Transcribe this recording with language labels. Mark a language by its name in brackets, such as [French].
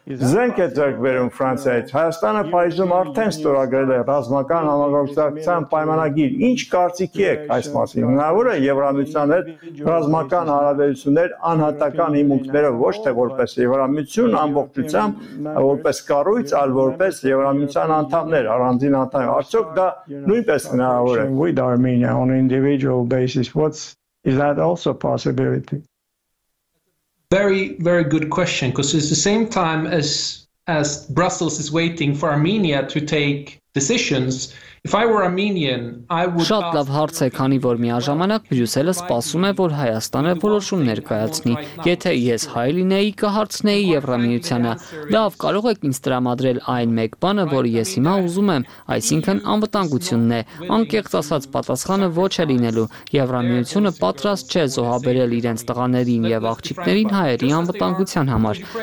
[Armenian] զենք է ձեռք բերում Ֆրանսիայից։ Հայաստանը Փարիզում արդեն ստորագրել է ռազմական համագործակցության պայմանագիր։ Ինչ կարծիքի եք այս մասին։ Հնարավոր է Եվրամիության հետ ռազմական հարաբերություններ անհատական հիմունքներով, ոչ թե որպես Եվրամիություն ամբողջությամբ, որպես կառույց, այլ որպես Եվրամիության անդամներ, առանձին անդամներ։ Արդյոք դա նույնպես հնարավոր է։ [English] With Armenia on individual basis, what's is that also possibility? Very, very good question, because it's the same time as Brussels is waiting for Armenia to take decisions. If I were Armenian, I would. [Armenian] Շատ լավ հարց է, քանի որ միաժամանակ Բրյուսելը սպասում է, որ Հայաստանը որոշում ներկայացնի։ Եթե ես հայ լինեի, կհարցնեի Եվրամիությանը. Լավ, կարող եք ինձ տրամադրել այն մեկ բանը, որը ես հիմա ուզում եմ, այսինքն անվտանգությունն է։ Անկեղծ ասած, պատասխանը ոչ է լինելու։ Եվրամիությունը պատրաստ չէ զոհաբերել իրենց տղաներին եւ աղջիկներին հայերի անվտանգության համար։